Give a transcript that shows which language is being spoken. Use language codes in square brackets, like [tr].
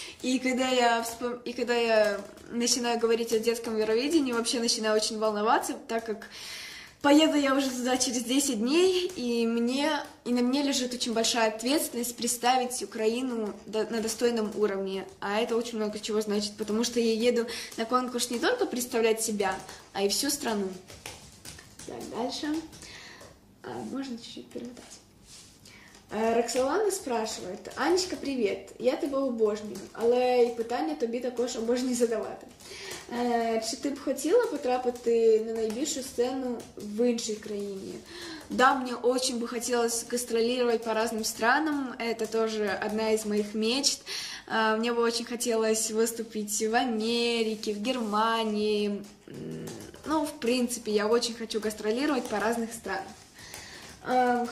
[ru] И когда я начинаю говорить о детском Евровидении, вообще начинаю очень волноваться, так как поеду я уже туда через 10 дней, и на мне лежит очень большая ответственность представить Украину на достойном уровне. А это очень много чего значит, потому что я еду на конкурс не только представлять себя, а и всю страну. Так, дальше. Можно чуть-чуть перемотать. Роксолана спрашивает. Анечка, привет. [uk] Я тебе обожнюю, але и питання тобі також обожнюю задавати. Чи ти б хотіла потрапити на найбільшу сцену в іншій країні? [ru] Да, мне очень бы хотелось гастролировать по разным странам, это тоже одна из моих мечт. Мне бы очень хотелось выступить в Америке, в Германии. Ну, в принципе, я очень хочу гастролировать по разным странам.